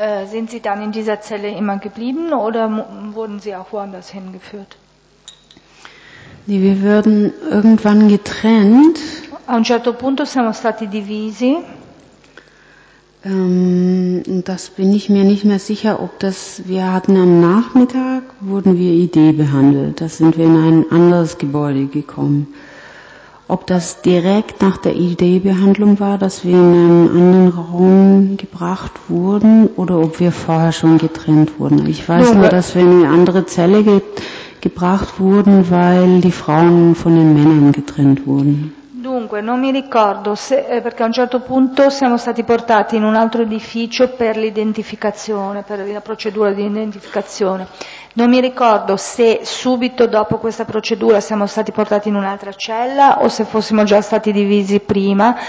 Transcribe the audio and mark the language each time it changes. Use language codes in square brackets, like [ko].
[de] Sind Sie dann in dieser Zelle immer geblieben oder wurden Sie auch woanders hingeführt? Nee, wir wurden irgendwann getrennt. A un certo punto siamo stati divisi. Das bin ich mir nicht mehr sicher, ob das, wir hatten am Nachmittag, wurden wir ID behandelt, da sind wir in ein anderes Gebäude gekommen. Ob das direkt nach der ID-Behandlung war, dass wir in einen anderen Raum gebracht wurden, oder ob wir vorher schon getrennt wurden. Ich weiß nur, dass wir in eine andere Zelle gebracht wurden, weil die Frauen von den Männern getrennt wurden. [it] Dunque, non mi ricordo se, perché a un certo punto siamo stati portati in un altro edificio per l'identificazione, per la procedura di identificazione. Non mi ricordo se subito dopo questa procedura siamo stati portati in un'altra cella o se fossimo già stati divisi prima.